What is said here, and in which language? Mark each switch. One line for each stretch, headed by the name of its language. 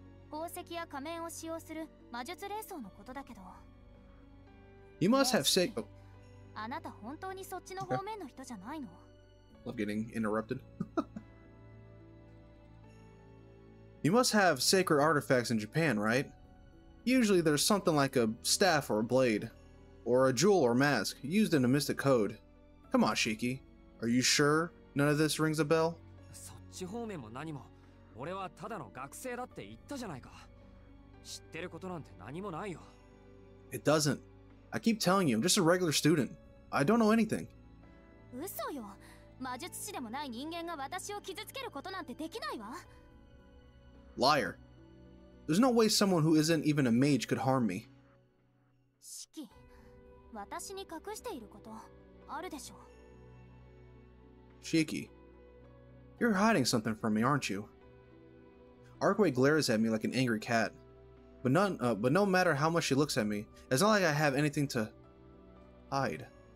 Japanese: 宝石や仮面を使用する魔術霊装のことだけど。
English: You must have said.
Japanese: あなた本当にそっちの方面の人じゃないの？
English: Love getting interrupted. You must have sacred artifacts in Japan, right? Usually there's something like a staff or a blade, or a jewel or mask used in a mystic code. Come on, Shiki. Are you sure none of this rings a bell?
Japanese: そっち方面も何も、俺はただの学生だって言ったじゃないか。知ってることなんて何もないよ。
English: It doesn't. I keep telling you, I'm just a regular student. I don't know anything.
Japanese: 嘘よ。魔術師でもない人間が私を傷つけることなんてできないわ。
English: Liar. There's no way someone who isn't even a mage could harm me.
Japanese: Shiki, 私に隠していることあるでしょう。
English: Shiki, you're hiding something from me, aren't you? Arkway glares at me like an angry cat. But no matter how much she looks at me, it's not like I have anything to hide.